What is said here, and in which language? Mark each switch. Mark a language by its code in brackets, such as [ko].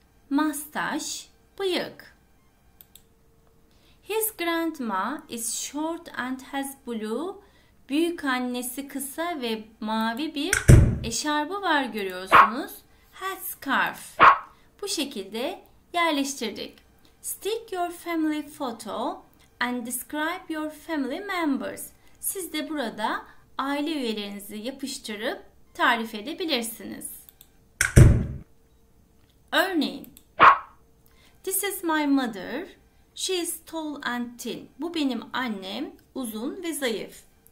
[en] Mustache, bıyık. His grandma is short and has blue. [tr] Büyük annesi kısa ve mavi bir eşarbı var görüyorsunuz. [en] Hat scarf. [tr] Bu şekilde yerleştirdik. [en] Stick your family photo and describe your family members. [tr] Siz de burada aile üyelerinizi yapıştırıp tarif edebilirsiniz. [en] Örneğin. This is my mother. She is tall and thin. [tr] Bu benim annem, uzun ve zayıf.